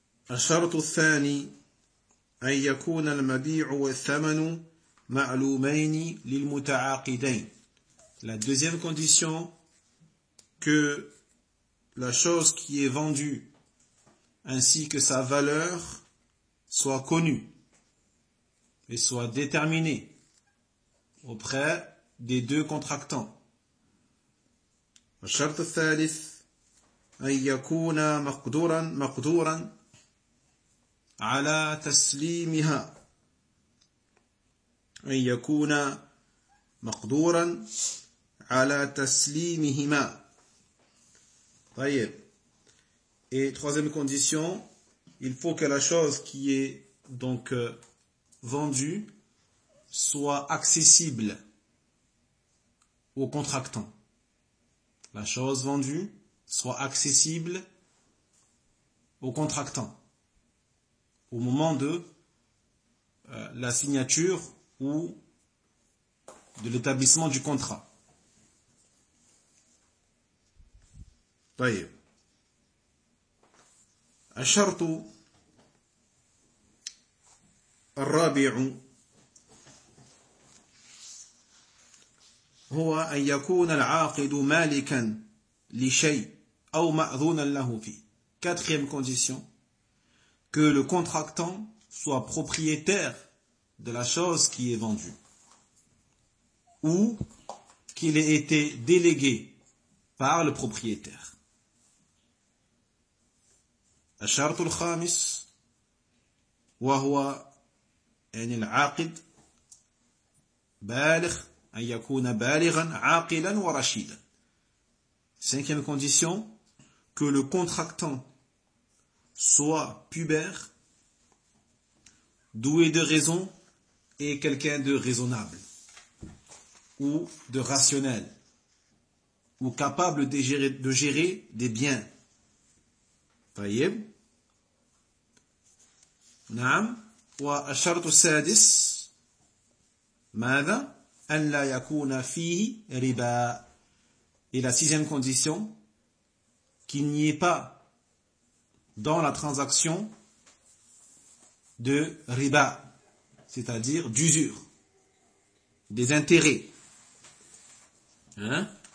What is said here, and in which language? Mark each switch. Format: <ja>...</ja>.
<ar>الشرط الثاني أن يكون المبيع والثمن معلومين للمتعاقدين.</ar> <fr>La deuxième condition, que la chose qui est vendue ainsi que sa valeur soit connue et soit déterminée auprès des deux contractants.</fr> <ar>الشرط الثالث أن يكون مقدورا على تسليمها أن يكون مقدورا على تسليمهما. طيب.</ar> <fr>Et troisième condition, il faut que la chose qui est donc vendue soit accessible au contractant. La chose vendue soit accessible au contractant au moment de la signature ou de l'établissement du contrat.</fr> <ar>طيب. الشرط الرابع هو أن يكون العاقد مالكا لشيء أو مأذونا له فيه.</ar> <fr>Quatrième condition, que le contractant soit propriétaire de la chose qui est vendue. ou qu'il ait été délégué par le propriétaire.</fr> <ar>الشرط الخامس وهو يعني العاقد بالغ أن يكون بالغا عاقلا ورشيدا.</ar> <fr>Cinquième condition, que le contractant soit pubère, doué de raison et quelqu'un de raisonnable ou de rationnel ou capable de gérer des biens.</fr> <ar>طيب نعم والشرط السادس ماذا أن لا يكون فيه ربا.</ar> <fr>Et la sixième condition, qu'il n'y ait pas dans la transaction de riba, c'est-à-dire d'usure, des intérêts. Hein?</fr>